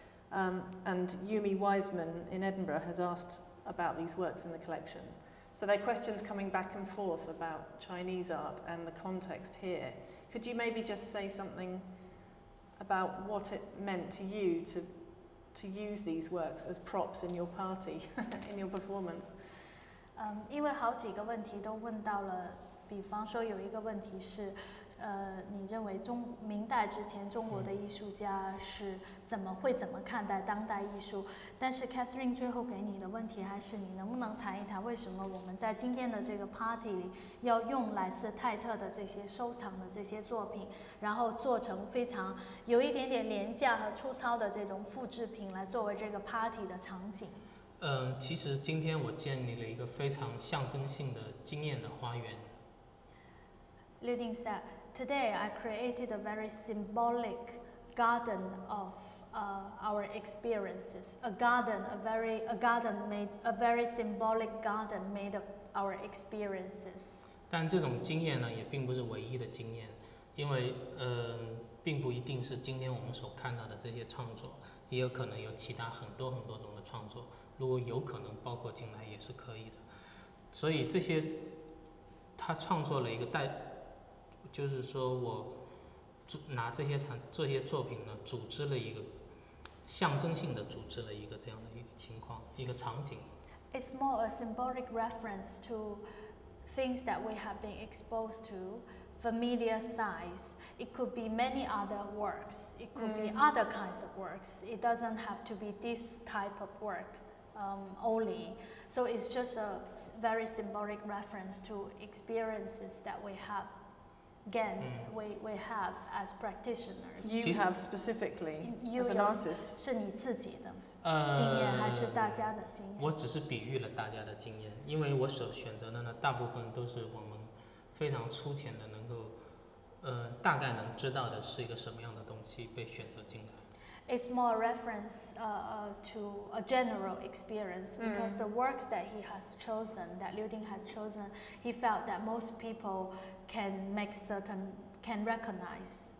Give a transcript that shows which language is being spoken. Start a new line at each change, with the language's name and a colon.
English: And Yumi Wiseman in Edinburgh has asked about these works in the collection. So there are questions coming back and forth about Chinese art and the context here. Could you maybe just say something about what it meant to you to use these works as props in your party, in your performance?
Chinese: 因为好几个问题都问到了，比方说有一个问题是你认为明代之前中国的艺术家是怎么看待当代艺术，但是 Catherine 最后给你的问题还是你能不能谈一谈为什么我们在今天的这个 party 里要用来自泰特的这些收藏的这些作品，然后做成非常有一点点廉价和粗糙的这种复制品来作为这个 party 的场景。其实今天我建立了一个非常象征性的经验的花园。
English: Liu Ding said, today I created a very symbolic garden of our experiences. A very symbolic garden made of our experiences.
Chinese: 但这种经验呢，也并不是唯一的经验，因为并不一定是今天我们所看到的这些创作，也有可能有其他很多很多种的创作，如果有可能包括进来也是可以的。所以这些，他创作了一个带就是说我拿这些作品呢组织了一个象征性的组织了一个这样的一个情况一个场景。
English: It's more a symbolic reference to things that we have been exposed to, familiar sights. It could be many other works. It could be other kinds of works. It doesn't have to be this type of work only. So it's just a very symbolic reference to experiences that we have. We have as practitioners. You have specifically as an artist.
Chinese: 是你自己的经验还是大家的经验？我只是比喻了大家的经验，因为我所选择的呢，大部分都是我们非常粗浅的能够，大概能知道的是一个什么样的东西被选择进来。
English: It's more a reference to a general experience because the works that he has chosen, that Liu Ding has chosen, he felt that most people can recognize.